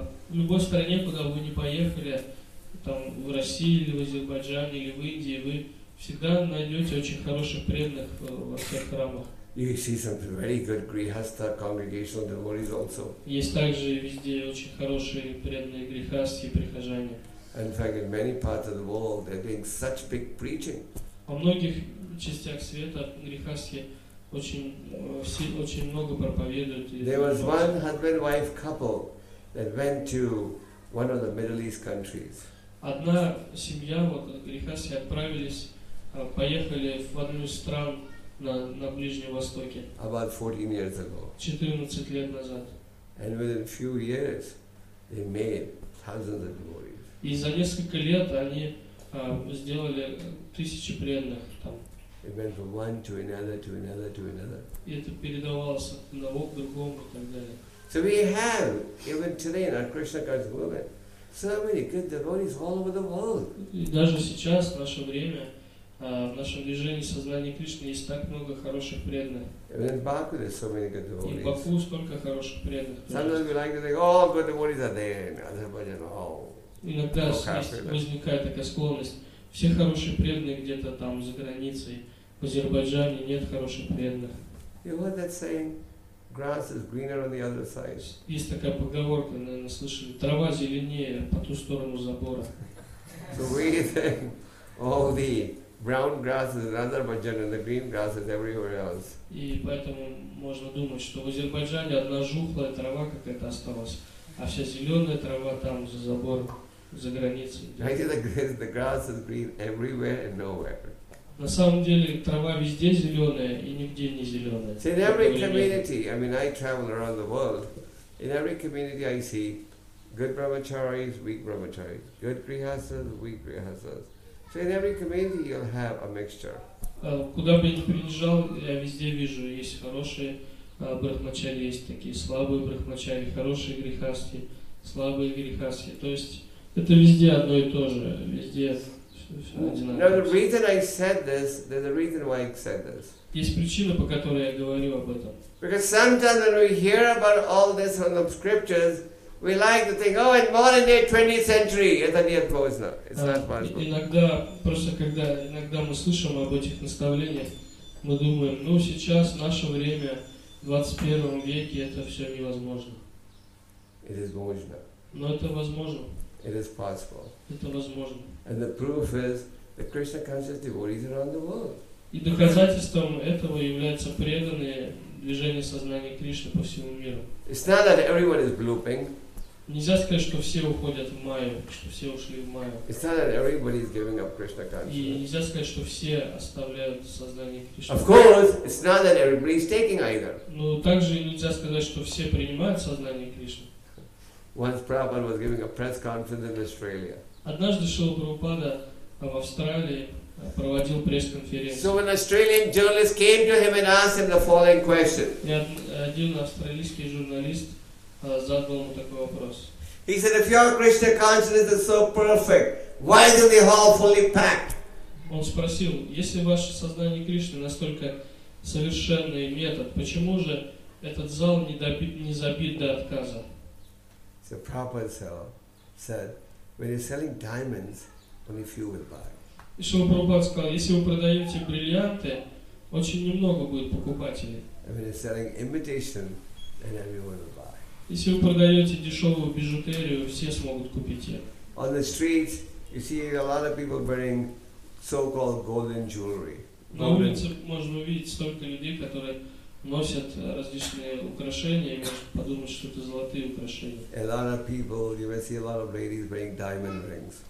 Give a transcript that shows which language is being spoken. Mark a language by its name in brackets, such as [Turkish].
[Russian] В любой стране, куда бы вы ни поехали, там в России или в Азербайджане или в Индии, вы всегда найдете очень хороших преданных во всех храмах. [English] You see some very good grihastha congregational devotees also. [Russian] Есть также везде очень хорошие преданные грихастхи прихожане. [English] In fact, in many parts of the world, they're doing such big preaching. [Russian] Во многих частях света грихастхи очень много проповедуют. [English] There was one husband-wife couple that went to one of the Middle East countries. [Russian] Одна семья вот грихастхи отправились, поехали в одну из стран на Ближнем Востоке. [English] About 14 years ago. [Russian] 14 лет назад. [English] And within a few years, they made thousands of devotees. [Russian] И за несколько лет они сделали тысячи преданных там. [English] It went from one to another, to another, to another. [Russian] И это передавалось от одного к другому и так далее. [English] So we have, even today in our Krishna Consciousness Movement, so many good devotees all over the world. [Russian] И даже сейчас, в наше время, в нашем движении сознания Кришны есть так много хороших преданных. [English] And in so many good devotees. [Russian] И в Баку столько хороших преданных. [English] Sometimes we like to think, oh, good devotees are there in Azerbaijan, oh. [Russian] Иногда возникает такая склонность. Все хорошие преданные где-то там за границей, в Азербайджане нет хороших преданных. [English] You heard that saying, grass is greener on the other side. [Russian] Есть такая поговорка, наверное, слышали, трава зеленее по ту сторону забора. [English] So we think all the brown grass is in Azerbaijan and the green grass is everywhere else. [Russian] И поэтому можно думать, что в Азербайджане одна жухлая трава какая-то осталась, а вся зеленая трава там за забором. За границей. [English] I think the grass is green everywhere and nowhere. [Russian] На самом деле трава везде зеленая и нигде не зеленая. [English] So in every community, I mean, I travel around the world. In every community, I see good brahmacharis, weak brahmacharis, good grihasthas, weak grihasthas. So in every community, you'll have a mixture. [Russian] Куда бы ни приезжал, я везде вижу, есть хорошие брахмачари, есть такие слабые брахмачари, хорошие грихасти, слабые грихасти. То есть это везде одно и то же, везде. [English] Now the reason I said this, there's a reason why I said this. [Russian] Есть причина, по которой я говорю об этом. [English] Because sometimes when we hear about all this from the scriptures, we like to think, oh, in modern day 20th century, [Russian] это не поздно. [English] It's not possible. [Russian] Иногда просто когда иногда мы слышим об этих наставлениях, мы думаем, ну сейчас наше время, 21 веке, это все невозможно. [English] It is possible. [Russian] Но это возможно. [English] It is possible. [Russian] Это возможно. [English] And the proof is that Krishna conscious devotees around the world. [Russian] И доказательством этого являются преданные движения сознания Кришны по всему миру. [English] It's not that everyone is blue pink. [Russian] Нельзя сказать, что все уходят в Майю, что все ушли в Майю. [English] It's not that everybody is giving up Krishna consciousness. [Russian] И нельзя сказать, что все оставляют сознание Кришны. [English] Of course, it's not that everybody is taking either. [Russian] Но также нельзя сказать, что все принимают сознание Кришны. [English] Once Prabhupada was giving a press conference in Australia. [Russian] Однажды Шрила Прабхупада в Австралии проводил пресс-конференцию. [English] So an Australian journalist came to him and asked him the following question. [Russian] Один австралийский журналист задал ему такой вопрос. [English] He said, if your Krishna consciousness is so perfect, why isn't the hall fully packed? [Russian] Он спросил, если ваше сознание Кришны настолько совершенный метод, почему же этот зал не забит до отказа? [English] So Prabhupada said, when you're selling diamonds, only few will buy. [Russian] И Шрила Прабхупада сказал, если вы продаете бриллианты, очень немного будет покупателей. [English] When you're selling imitation, then everyone will buy. [Russian] Если вы продаете дешевую бижутерию, все смогут купить ее. [English] On the streets, you see a lot of people wearing so-called golden jewelry. [Russian] На улице можно увидеть столько людей, которые носят различные украшения, и можно подумать, что это золотые украшения. [English] A lot of people, you may see a lot of ladies wearing diamond rings.